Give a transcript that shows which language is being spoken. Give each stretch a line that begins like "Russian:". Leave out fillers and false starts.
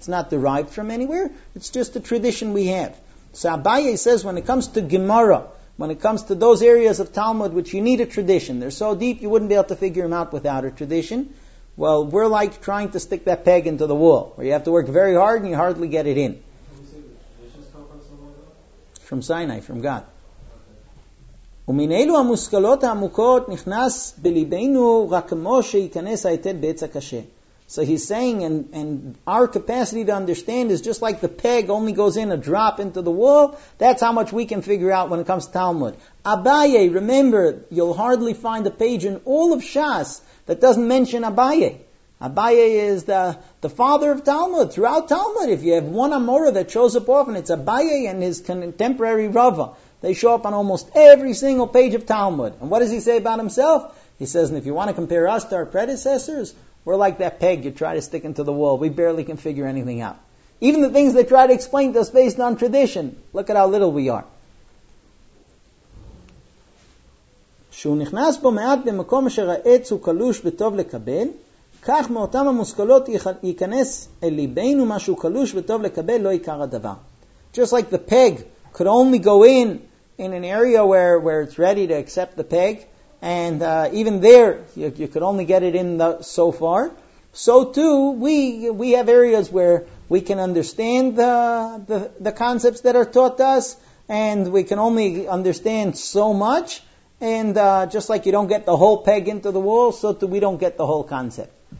English: It's not derived from anywhere. It's just a tradition we have. So Abaye says when it comes to Gemara, when it comes to those areas of Talmud which you need a tradition, they're so deep you wouldn't be able to figure them out without a tradition. Well, we're like trying to stick that peg into the wall, where you have to work very hard and you hardly get it in. Can you say the traditions come from somewhere? From Sinai, from God.
Hebrew: ומן אלו המושכלות העמוקות נכנס בליבנו רק כמו שיכנס היתד בעץ הקשה.
English: So he's saying, and our capacity to understand is just like the peg only goes in a drop into the wall. That's how much we can figure out when it comes to Talmud. Abaye, remember, you'll hardly find a page in all of Shas that doesn't mention Abaye. Abaye is the father of Talmud. Throughout Talmud, if you have one Amora that shows up often, it's Abaye and his contemporary Rava. They show up on almost every single page of Talmud. And what does he say about himself? He says, and if you want to compare us to our predecessors, we're like that peg you try to stick into the wall. We barely can figure anything out. Even the things they try to explain to us based on tradition, look at how little we are.
Hebrew: שהוא נכנס בו מעט במקום אשר העץ הוא קלוש וטוב לקבל, כך מאותם המושכלות ייכנס אל ליבנו משהו קלוש וטוב לקבל לא עיקר הדבר.
English: Just like the peg could only go in an area where it's ready to accept the peg, and even there you could only get it in so far. So too, we have areas where we can understand the concepts that are taught to us, and we can only understand so much, and just like you don't get the whole peg into the wall, so too we don't get the whole concept.